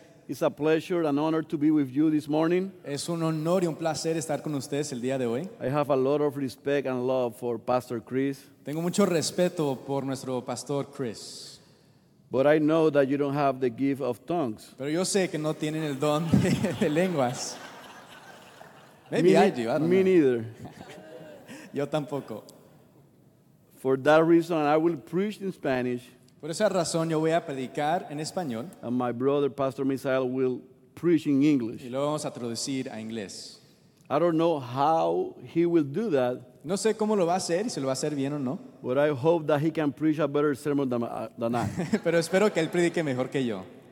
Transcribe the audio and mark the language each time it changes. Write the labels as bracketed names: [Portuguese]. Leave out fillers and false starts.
[English] It's a pleasure and honor to be with you this morning. [Spanish] Es un honor y un placer estar con ustedes el día de hoy. [English] I have a lot of respect and love for Pastor Chris. [Spanish] Tengo mucho respeto por nuestro pastor Chris. [English] But I know that you don't have the gift of tongues. [Spanish] Pero yo sé que no tienen el don de lenguas. [English] Maybe I do. I don't know. Me neither. [Spanish] Yo tampoco. [English] For that reason, I will preach in Spanish. [Spanish] Por esa razón, yo voy a predicar en español. [English] And my brother, Pastor Misael, will preach in English. [Spanish] Y lo vamos a traducir a inglés. [English] I don't know how he will do that. [Spanish] No sé cómo lo va a hacer y si lo va a hacer bien o no. [English] But I hope that he can preach a better sermon than I. [Spanish] Pero espero que él predique mejor que yo.